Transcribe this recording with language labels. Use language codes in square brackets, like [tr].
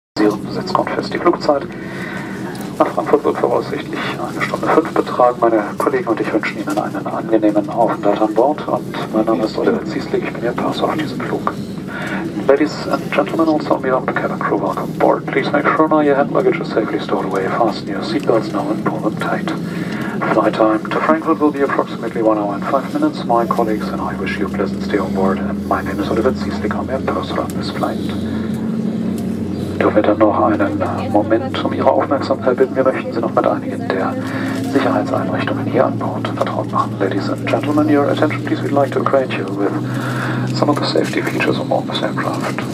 [de] Sitz fest. Die Flugzeit nach Frankfurt wird voraussichtlich 1:05 betragen. Meine Kollegen und ich wünschen Ihnen einen angenehmen Aufenthalt an Bord. Und mein Name ist Oliver Ziesling, ich bin Ihr Pass auf diesem Flug. [en] Ladies and gentlemen, also on behalf of the cabin crew, welcome aboard. Please make sure now your hand luggage is safely stored away. Fasten your seatbelts now and pull them tight. Flight time to Frankfurt will be approximately 1 hour and 5 minutes. My colleagues and I wish you a pleasant stay on board. And my name is Oliver Ziesling, I'm [de] Ihr Pass [en] on this flight. [de] Wetter noch einen Moment um Ihre Aufmerksamkeit bitten. Wir möchten Sie noch mit einigen der Sicherheitseinrichtungen hier an Bord vertraut machen. [en] Ladies and gentlemen, your attention please. We'd like to acquaint you with some of the safety features on board this aircraft.